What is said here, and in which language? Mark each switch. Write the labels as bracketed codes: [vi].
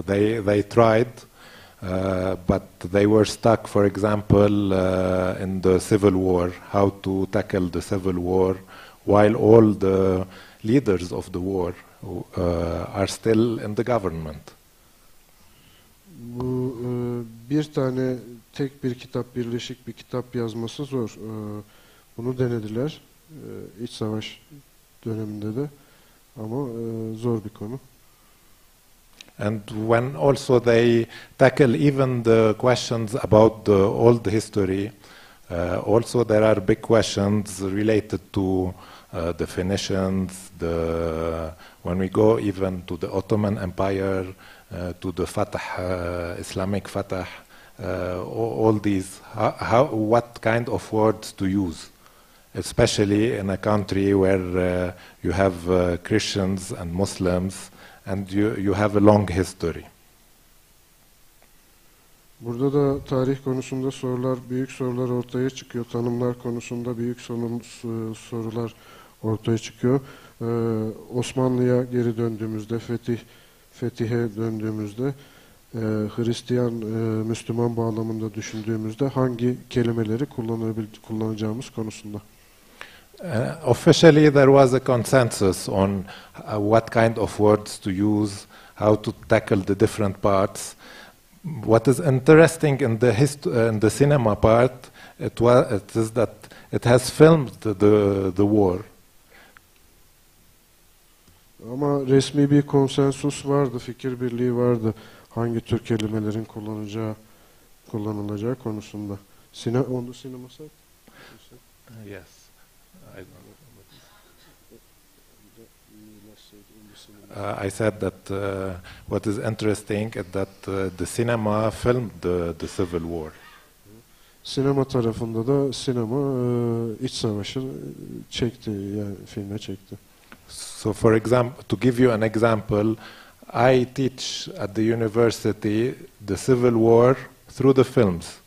[en] They tried. But they were stuck, for example, in the civil war, how to tackle the civil war, while all the leaders of the war are still in the government. [tr] Bu bir tane, tek bir kitap, birleşik bir kitap yazması zor. Bunu denediler iç savaş döneminde de, ama zor bir konu. [en] And when also they tackle even the questions about the old history, also there are big questions related to the Phoenicians, the when we go even to the Ottoman Empire, to the Fatah, Islamic Fatah, all these, what kind of words to use, especially in a country where you have Christians and Muslims, and you have a long history. [tr] Burada da tarih konusunda sorular, büyük sorular ortaya çıkıyor. Tanımlar konusunda büyük sorular ortaya çıkıyor. Osmanlı'ya geri döndüğümüzde, fetihe döndüğümüzde, Hristiyan, Müslüman bağlamında düşündüğümüzde hangi kelimeleri kullanacağımız konusunda. [en] Officially, there was a consensus on what kind of words to use, how to tackle the different parts. What is interesting in the cinema part, it is that it has filmed the war. [tr] Ama resmi bir konsensus vardı, fikir birliği vardı. Hangi tür kelimelerin kullanılacağı konusunda. Onu sineması? [en] Yes. I said that what is interesting is that the cinema filmed the civil war. [tr] Sinema tarafında da sinema iç savaşı çekti, yani filme çekti. [en] So for example, to give you an example, I teach at the university the civil war through the films.